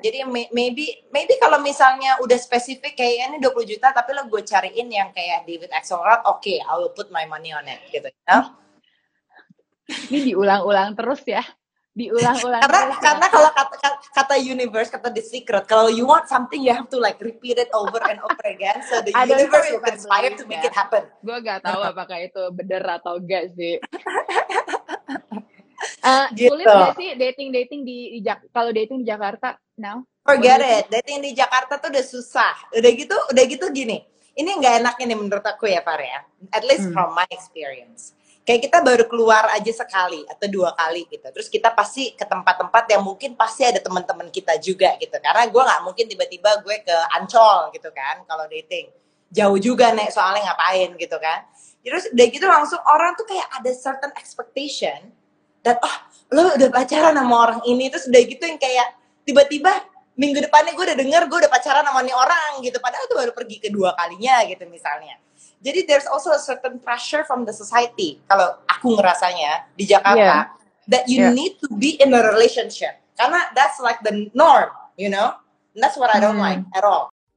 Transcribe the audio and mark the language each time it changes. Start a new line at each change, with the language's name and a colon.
Indonesian: Jadi maybe kalau misalnya udah spesifik kayak ini 20 juta tapi lo gue cariin yang kayak David Axelrod, oke, okay,
English: I will put my money on it
Indonesian: gitu, ya. Ini diulang-ulang terus ya. Diulang-ulang. Karena kalau kata
English: universe, kata the secret, kalau you want something you have to like repeat it over and over again so the universe will conspire to make it happen.
Indonesian: Gue enggak tahu apakah itu benar atau enggak sih. Sulit gak sih dating-dating kalau dating di Jakarta now? Forget it, dating di Jakarta tuh udah susah. Udah gitu gini, ini gak enaknya nih menurut aku ya, Far, ya.
English: At least from my experience.
Indonesian: Kayak kita baru keluar aja sekali atau dua kali gitu. Terus kita pasti ke tempat-tempat yang mungkin pasti ada teman-teman kita juga gitu. Karena gue gak mungkin tiba-tiba gue ke Ancol gitu kan kalau dating. Jauh juga nek, soalnya ngapain gitu kan. Terus udah gitu langsung orang tuh kayak ada
English: certain expectation
Indonesian: dan oh lo udah pacaran sama orang ini, terus udah gitu yang kayak tiba-tiba minggu depannya gue udah denger gue udah pacaran sama ini orang gitu, padahal tuh baru pergi kedua kalinya gitu misalnya.
English: Jadi there's also a certain pressure from the society
Indonesian: kalau aku ngerasanya di Jakarta,
English: yeah, that you need to be in a relationship
Indonesian: karena
English: that's like the norm, you know, and that's what I don't like at all.